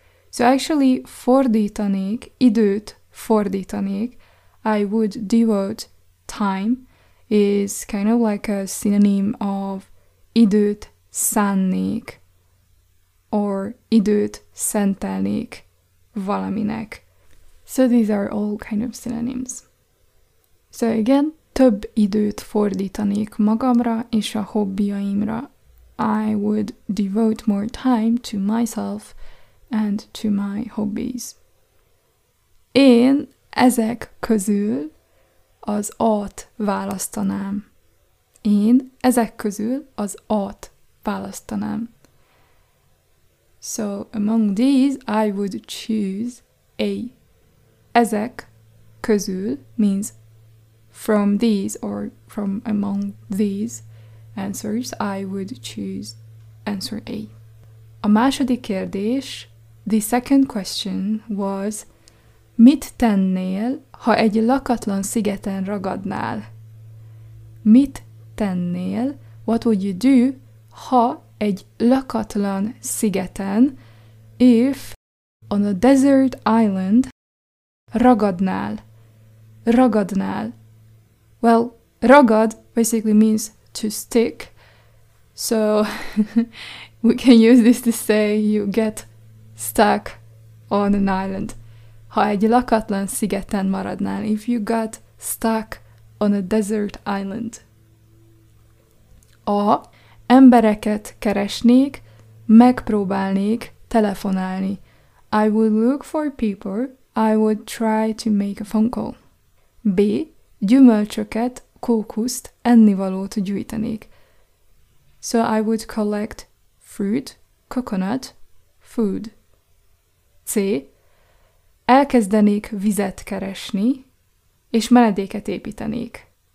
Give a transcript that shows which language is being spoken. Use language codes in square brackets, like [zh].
[en] So actually, [hu] fordítanék, időt fordítanék, [en] I would devote time, is kind of like a synonym of [hu] időt szánnék, [en] or [hu] időt szentelnék valaminek. [en] So these are all kind of synonyms. So again, [hu] több időt fordítanék magamra és a hobbiaimra. [en] I would devote more time to myself and to my hobbies. [hu] Én ezek közül az A-t választanám. Én ezek közül az A-t választanám. [en] So, among these, I would choose A. Ezek közül means from these or from among these answers, I would choose answer A. [hu] A második kérdés, [en] the second question was, [hu] mit tennél, ha egy lakatlan szigeten ragadnál? Mit tennél? [en] What would you do, [hu] ha egy lakatlan szigeten, [en] if on a desert island, [hu] ragadnál? Ragadnál. [en] Well, ragad basically means to stick. So, we can use this to say you get stuck on an island. [hu] Ha egy lakatlan szigeten maradnál, [en] if you got stuck on a desert island. A. [hu] Embereket keresnék, megpróbálnék telefonálni. [en] I would look for people, I would try to make a phone call. B. [hu] Gyümölcsöket, kókuszt, ennivalót gyűjtenék. [en] So I would collect fruit, coconut, food. C. [hu] Elkezdenék vizet keresni, és menedéket építenék.